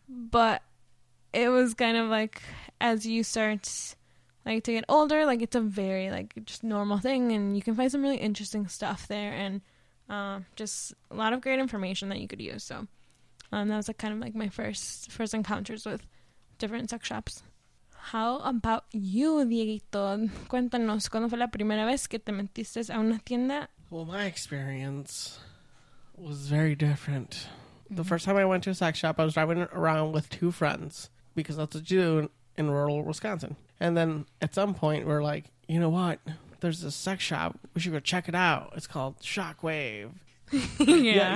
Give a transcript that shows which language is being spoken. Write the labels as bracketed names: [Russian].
[English] But it was kind of like, as you start like to get older, like it's a very like just normal thing. And you can find some really interesting stuff there. And just a lot of great information that you could use. So that was like, kind of like my first encounters with different sex shops. How about you, Dieguito? [Spanish] Cuéntanos, ¿cuándo fue la primera vez que te metiste a una tienda? [English] Well, my experience was very different. Mm-hmm. The first time I went to a sex shop, I was driving around with two friends, because that's what you do in rural Wisconsin. And then at some point, we're like, you know what? There's a sex shop. We should go check it out. It's called Shockwave. Yeah.